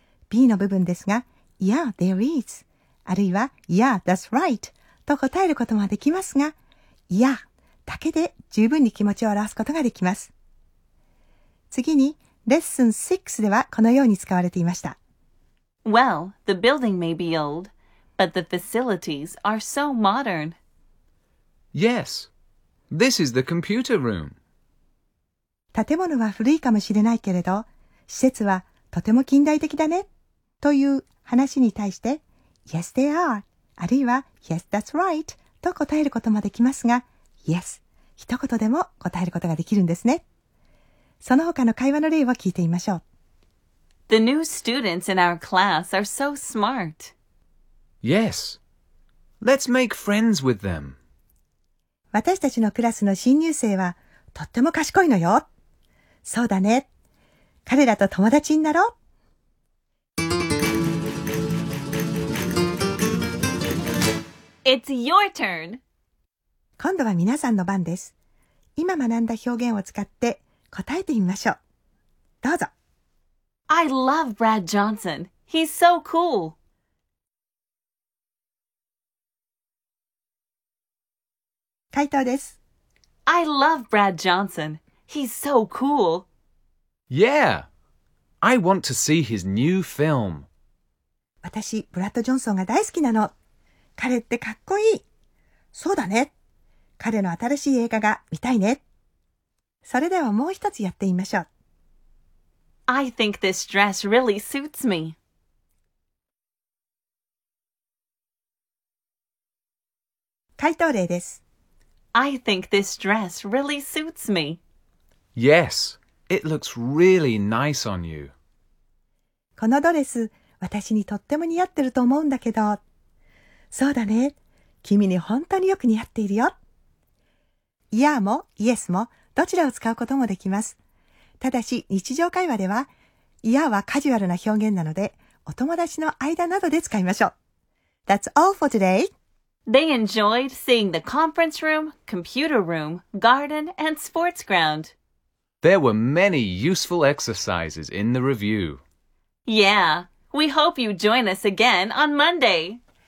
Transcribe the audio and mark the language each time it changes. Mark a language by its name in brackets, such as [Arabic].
[Japanese] B の部分ですが、 [English] Yeah, there is [Japanese] あるいは [English] Yeah, that's right [Japanese] と答えることもできますが、 Yeah だけで十分に気持ちを表すことができます。次にレッスン6ではこのように使われていました。 [English] Well, the building may be old, but the facilities are so modern. Yes, this is the computer room. [Japanese] 建物は古いかもしれないけれど、施設はとても近代的だねという話に対して [English] Yes, they are [Japanese] あるいは [English] Yes, that's right [Japanese] と答えることもできますが、 Yes 一言でも答えることができるんですね。その他の会話の例を聞いてみましょう。 [English] The new students in our class are so smart. Yes. Let's make friends with them. [Japanese] 私たちのクラスの新入生はとっても賢いのよ。そうだね。彼らと友達になろう。 [English] It's your turn. [Japanese] 今度は皆さんの番です。今学んだ表現を使って答えてみましょう。どうぞ。 [English] I love Brad Johnson. He's so cool. [Japanese] Kaito です。 [English] I love Brad Johnson. He's so cool. Yeah. I want to see his new film. [Japanese] 私、ブラッド・ジョンソンが大好きなの。彼ってかっこいい。そうだね。彼の新しい映画が見たいね。それではもう一つやってみましょう。 [English] I think this dress really suits me. [Japanese] Kaito です。 [English] I think this dress really suits me. Yes, it looks really nice on you. [Japanese] このドレス、私にとっても似合ってると思うんだけど。そうだね。君に本当によく似合っているよ。いやも、イエスも、どちらを使うこともできます。ただし日常会話では、いやはカジュアルな表現なので、お友達の間などで使いましょう。 [English] That's all for today. They enjoyed seeing the conference room, computer room, garden, and sports ground. There were many useful exercises in the review. Yeah, we hope you join us again on Monday.